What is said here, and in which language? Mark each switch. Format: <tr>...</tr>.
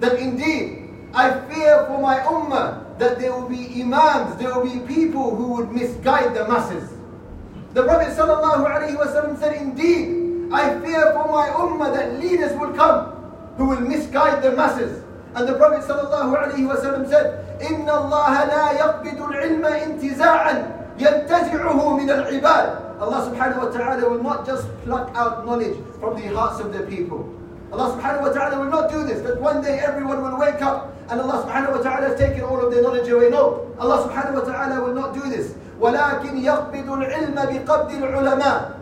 <en>That indeed, I fear for my ummah that there will be imams, there will be people who would misguide the masses. The Prophet sallallahu alayhi wa sallam said, indeed, I fear for my ummah that leaders will come who will misguide the masses. And the Prophet sallallahu alayhi wa sallam said,</en> <ar>إِنَّ اللَّهَ لَا يَقْبِدُ الْعِلْمَ إِنْتِزَاعًا يَنْتَزِعُهُ مِنَ الْعِبَادِ.</ar> <en>Allah subhanahu wa ta'ala will not just pluck out knowledge from the hearts of the people. Allah subhanahu wa ta'ala will not do this, that one day everyone will wake up and Allah subhanahu wa ta'ala has taken all of their knowledge away. No, Allah subhanahu wa ta'ala will not do this.</en> <ar>وَلَكِنْ يَقْبِدُ الْعِلْمَ بِقَبْدِ الْعُلَمَاءِ.</ar>